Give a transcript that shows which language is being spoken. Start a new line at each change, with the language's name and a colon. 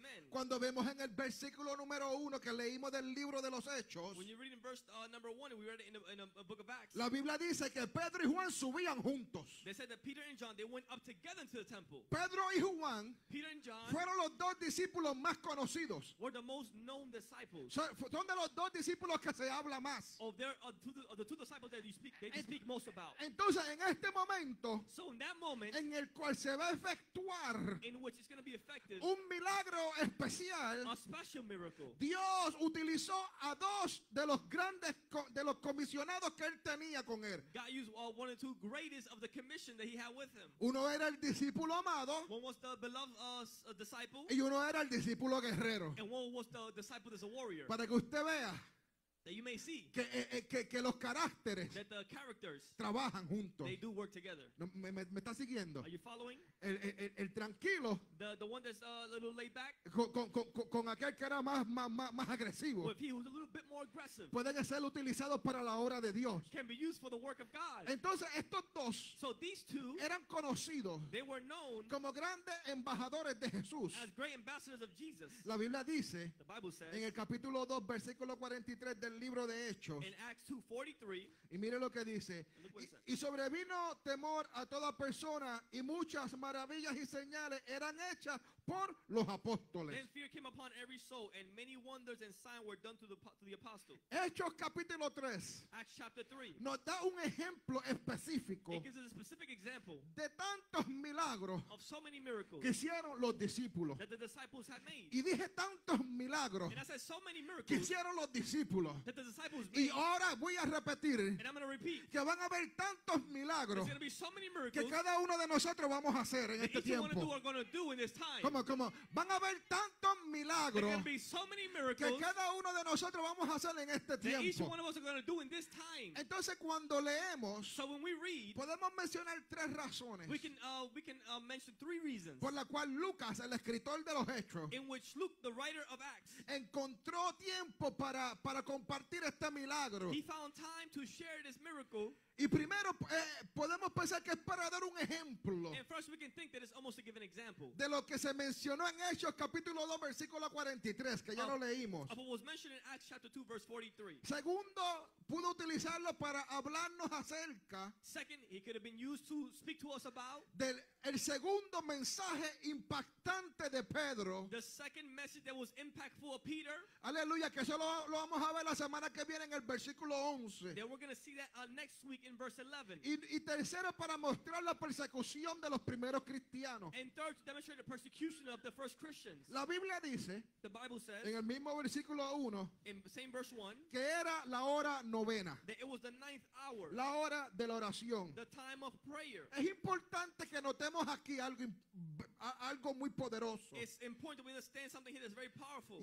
Spanish: Cuando vemos en el versículo número uno, que leímos del libro de los Hechos,
English: when you read in verse number one, we read it in a book of Acts,
Spanish: la Biblia dice que Pedro y Juan subían juntos.
English: They said that Peter and John, they went up together into the temple.
Spanish: Pedro y Juan,
English: Peter and John,
Spanish: fueron los dos discípulos más conocidos.
English: Were the most known disciples.
Spanish: Son de los dos discípulos que se habla más.
English: Of their, of the two disciples that you speak, they speak most about.
Spanish: Entonces, en este momento,
English: so in that moment,
Spanish: en el cual se va a efectuar,
English: in which it's going to be effected,
Spanish: un milagro especial,
English: a special miracle.
Spanish: Dios utilizó a dos de los grandes de los comisionados que él tenía con él.
English: God used one of the two greatest of the commission that he had with him.
Spanish: Uno era el discípulo amado.
English: One was the beloved disciple.
Spanish: Y uno era el discípulo guerrero.
English: And one was the disciple that's a warrior.
Spanish: Para que usted vea
English: that you may see
Spanish: que los caracteres
English: that the characters
Spanish: trabajan juntos.
English: They do work together.
Spanish: No, me está siguiendo.
English: Are you following?
Spanish: El tranquilo
English: the one that's a little laid back
Spanish: con aquel que era más agresivo.
English: With he was a little bit more aggressive.
Spanish: Pueden ser utilizados para la obra de Dios.
English: Can be used for the work of God.
Spanish: Entonces estos dos
English: so these two
Spanish: eran conocidos
English: they were known
Spanish: como grandes embajadores de Jesús.
English: As great ambassadors of Jesus.
Spanish: La Biblia dice
English: the Bible says
Spanish: en el capítulo 2 versículo 43 del el libro de Hechos.
English: In Acts 2:43.
Spanish: Y mire lo que dice. Y sobrevino temor a toda persona, y muchas maravillas y señales eran hechas por los apóstoles.
English: Then fear came upon every soul, and many wonders and signs were done to the apostles.
Spanish: Hechos capítulo 3.
English: Acts chapter 3.
Spanish: Nos da un ejemplo específico.
English: It gives us a specific example.
Spanish: De tantos milagros.
English: Of so many miracles.
Spanish: Que hicieron los discípulos.
English: That the disciples had made.
Spanish: Y dije tantos milagros.
English: And I said so many miracles.
Spanish: Que hicieron los discípulos.
English: That the disciples made.
Spanish: Y ahora voy a repetir.
English: And I'm going to repeat.
Spanish: Que van a haber tantos milagros.
English: There's going to be so many miracles.
Spanish: Que cada uno de nosotros vamos a hacer en este tiempo.
English: That each one of you are going to do in this time.
Spanish: Como van a haber tantos milagros,
English: there can be so many miracles,
Spanish: que cada uno de nosotros vamos a hacer en este tiempo. Entonces cuando leemos,
English: so when we read,
Spanish: podemos mencionar tres razones
English: we can mention three reasons
Spanish: por la cual Lucas, el escritor de los Hechos,
English: in which Luke, the writer of Acts,
Spanish: encontró tiempo para compartir este milagro.
English: He found time to share this miracle.
Spanish: Y primero podemos pensar que es para dar un ejemplo.
English: And first we can think that it's almost to give an example.
Spanish: De lo que se mencionó en Hechos capítulo 2 versículo 43, que ya lo leímos.
English: Of what was mentioned in Acts chapter 2 verse 43.
Spanish: Segundo, pudo utilizarlo para hablarnos acerca.
English: Second, he could have been used to speak to us about.
Spanish: Del el segundo mensaje impactante de Pedro.
English: The second message that was impactful of Peter.
Spanish: Aleluya, que eso lo vamos a ver la semana que viene en el versículo 11.
English: Then we're going to see that next week. In verse 11.
Spanish: Y tercero, para mostrar la persecución de los primeros cristianos.
English: And third, to demonstrate the persecution of the first Christians.
Spanish: La Biblia dice,
English: the Bible says,
Spanish: en el mismo versículo 1,
English: in same verse 1,
Spanish: que era la hora novena,
English: that it was the ninth hour,
Spanish: la hora de la oración,
English: the time of prayer.
Spanish: Es importante que notemos aquí algo muy poderoso.
English: It's important that we understand something here that's very powerful.